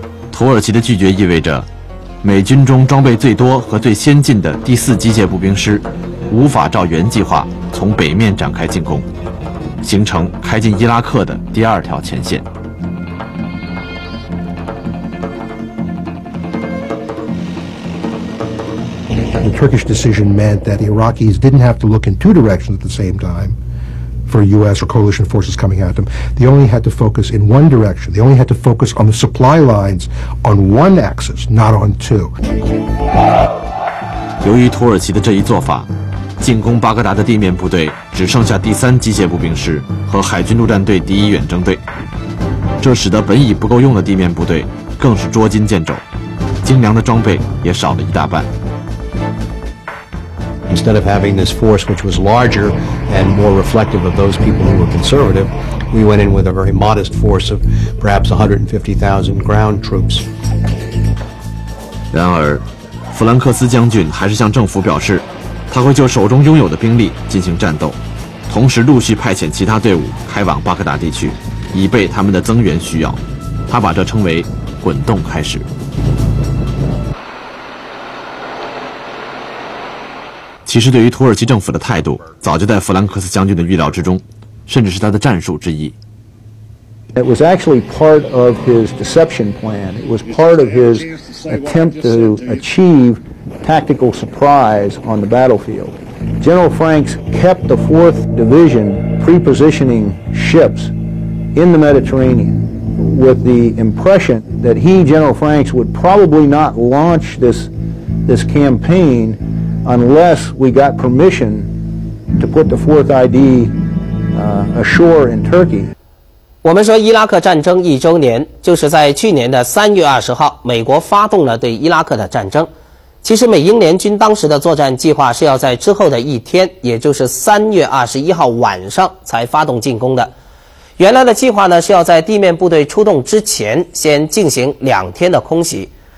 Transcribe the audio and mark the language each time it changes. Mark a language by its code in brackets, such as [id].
[zh] 土耳其的拒绝意味着美军中装备最多和最先进的第四机械步兵师无法照原计划从北面展开进攻，形成开进伊拉克的第二条前线。 [en] The Turkish decision meant that the Iraqis didn't have to look in two directions at the same time. for U.S. or coalition forces coming at them. They only had to focus in one direction. They only had to focus on the supply lines on one axis, not on two. [zh] 由于土耳其的这一做法，进攻巴格达的地面部队只剩下第三机械步兵师和海军陆战队第一远征队，这使得本已不够用的地面部队更是捉襟见肘，精良的装备也少了一大半。 [en] Instead of having this force which was larger and more reflective of those people who were conservative, we went in with a very modest force of perhaps 150,000 ground troops. [zh] 然而，弗兰克斯将军还是向政府表示，他会就手中拥有的兵力进行战斗，同时陆续派遣其他队伍开往巴格达地区，以备他们的增援需要。他把这称为“滚动开始”。其实，对于土耳其政府的态度，早就在弗兰克斯将军的预料之中，甚至是他的战术之一。 [en] It was actually part of his deception plan. It was part of his attempt to achieve tactical surprise on the battlefield. General Franks kept the 4th Division pre-positioning ships in the Mediterranean with the impression that he, General Franks, would probably not launch this campaign unless we got permission to put the 4th ID ashore in Turkey. [zh] 我们说伊拉克战争一周年，就是在去年的3月20号，美国发动了对伊拉克的战争。其实美英联军当时的作战计划是要在之后的一天，也就是3月21号晚上才发动进攻的。原来的计划呢，是要在地面部队出动之前先进行两天的空袭。